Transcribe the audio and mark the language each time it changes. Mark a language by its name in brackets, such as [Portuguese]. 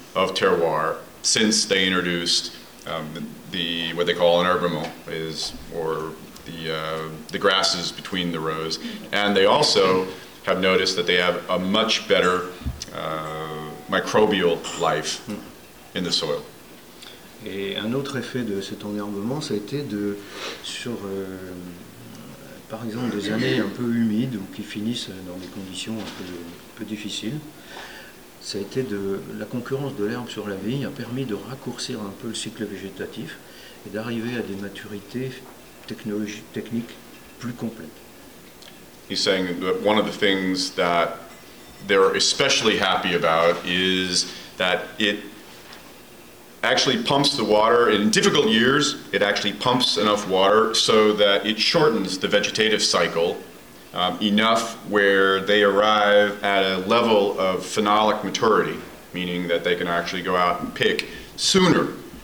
[English] of terroir since they introduced the what they call an herbimal, is or the grasses between the rows, and they also have noticed that they have a much better microbial life in the soil. [French] Et un autre effet de cet enherbement, ça a été de sur par exemple des années un peu humides ou qui finissent dans des conditions un peu difficiles. Ça a été de la concurrence de l'herbe sur la vigne a permis de raccourcir un peu le cycle végétatif et d'arriver à des maturités techniques plus complètes. [English] He's saying that one of the things that they're especially happy about is that it actually pumps the water. In difficult years, it actually pumps enough water so that it shortens the vegetative cycle enough where they arrive at a level of phenolic maturity, meaning that they can actually go out and pick sooner.